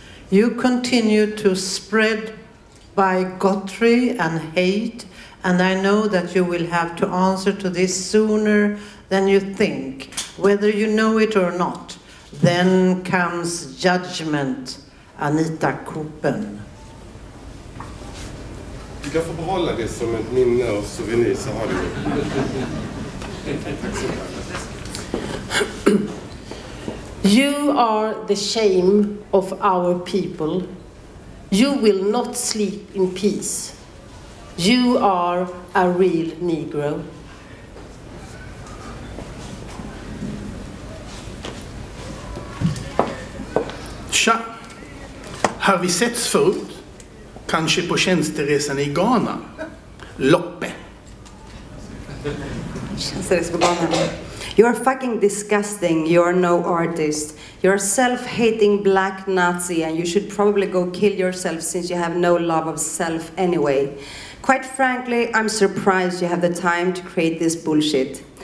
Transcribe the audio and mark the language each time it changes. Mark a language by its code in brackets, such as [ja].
[en] You continue to spread bigotry and hate, and I know that you will have to answer to this sooner than you think, whether you know it or not. Then comes judgment, Anita Koopen. [sv] Du kan få behålla det som ett minne och souvenir, så har du det. [en] You are the shame of our people. You will not sleep in peace. You are a real Negro. [sv] Tja, har vi setts förut? Kanske på tjänsteresan i Ghana? Loppe. Tjänsteresan i Ghana. [en] You are fucking disgusting. You are no artist. You are self-hating black Nazi and you should probably go kill yourself since you have no love of self anyway. Quite frankly, I'm surprised you have the time to create this bullshit.